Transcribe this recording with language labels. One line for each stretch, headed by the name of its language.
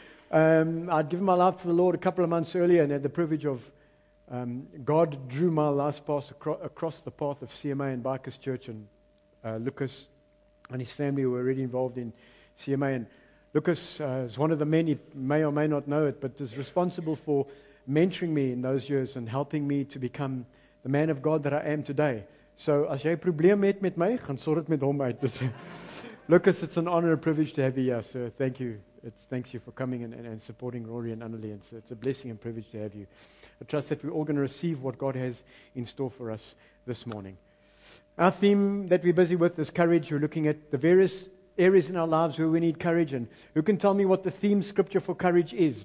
English: I'd given my life to the Lord a couple of months earlier and had the privilege of God drew my last pass across the path of CMA and Bikers Church, and Lucas and his family were already involved in CMA. And Lucas is one of the men, he may or may not know it, but is responsible for mentoring me in those years and helping me to become the man of God that I am today.
Afrikaans: So, as jy probleem het met my, gaan sort het met hom uit.
English: Lucas, it's an honor and privilege to have you here, sir. Thank you. Thanks you for coming and supporting Rory and Annalie. And so it's a blessing and privilege to have you. I trust that we're all going to receive what God has in store for us this morning. Our theme that we're busy with is courage. We're looking at the various areas in our lives where we need courage, and who can tell me what the theme scripture for courage is?